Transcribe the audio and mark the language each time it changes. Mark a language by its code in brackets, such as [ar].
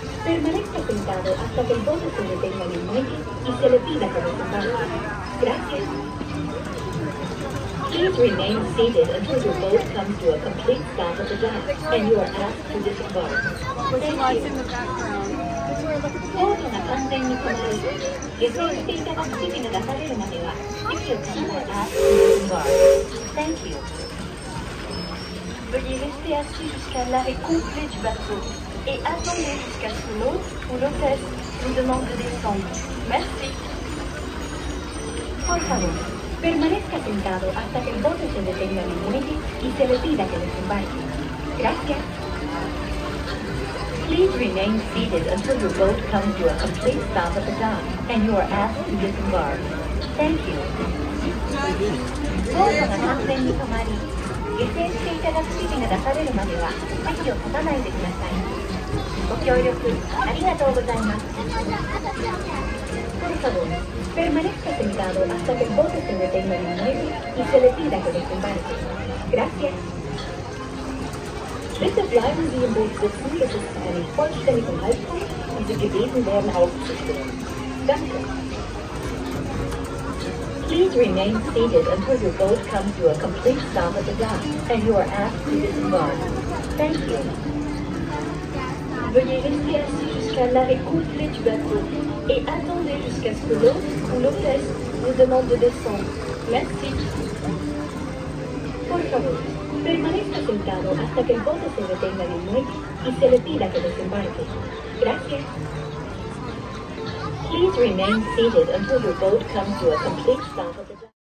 [es] Permanezca sentado hasta que el bote se detenga en el muelle y se le pida que desembarque. Gracias. [en] Please remain seated until your boat comes to a complete stop at the dock and you are asked to disembark. Thank you. [ja] ボートが完全に止まる。下船していただく指示が出されるまでは、席を立たないで [en] asked to disembark. Thank you. [fr] Veuillez rester assis jusqu'à l'arrêt complet du bateau. Et attendez jusqu'à ce que l'hôte ou l'hôtesse vous demande de descendre. Merci. [es] Por favor, permanezca sentado hasta que el bote se detenga en el muelle y se le pida que desembarque. Gracias. [en] Please remain seated until your boat comes to a complete stop at the dock and you are asked to disembark. Thank you. [ja] ボートが完全に止まり、下船していただく指示が出されるまでは席を立たないでください。ご協力ありがとうございます。 [es] Por favor, permanezca sentado hasta que el bote se detenga en el muelle y se le pida que desembarque. Gracias. [de] Bitte bleiben Sie im Boot sitzen, bis es zu einem vollständigen Halt kommt und Sie gebeten werden aufzustehen. Danke. [en] Please remain seated until your boat comes to a complete stop at the dock and you are asked to disembark. Thank you. [fr] Veuillez rester assis jusqu'à l'arrêt complet du bateau et attendez jusqu'à ce que l'eau ou l'hôtesse vous demande de descendre. Merci. [es] Por favor, permanezca sentado hasta que el bote se detenga en el muelle y se le pida que desembarque. Gracias. [en] Please remain seated until your boat comes to a complete stop at the dock.